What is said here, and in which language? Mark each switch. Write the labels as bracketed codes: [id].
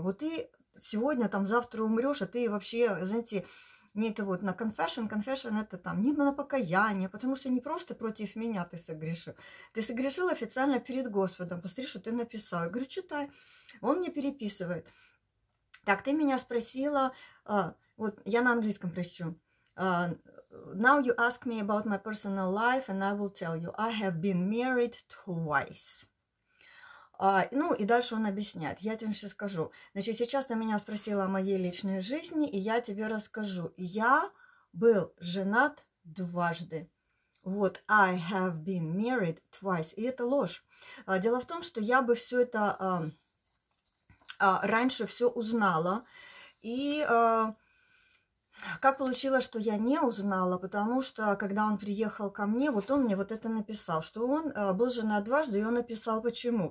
[ru] Вот ты сегодня, там, завтра умрешь, а ты вообще, знаете, не это вот на confession это там, не на покаяние, потому что не просто против меня ты согрешил. Ты согрешил официально перед Господом, посмотри, что ты написал. Я говорю, читай. Он мне переписывает. Так, ты меня спросила, вот я на английском прощу. [en] Now you ask me about my personal life, and I will tell you, I have been married twice. [ru] Ну и дальше он объясняет, я тебе сейчас скажу. Значит, сейчас ты меня спросила о моей личной жизни, и я тебе расскажу. Я был женат дважды. [en] Вот, I have been married twice. [ru] И это ложь. Дело в том, что я бы все это раньше все узнала. И как получилось, что я не узнала, потому что когда он приехал ко мне, вот он мне вот это написал, что он был женат дважды, и он написал почему.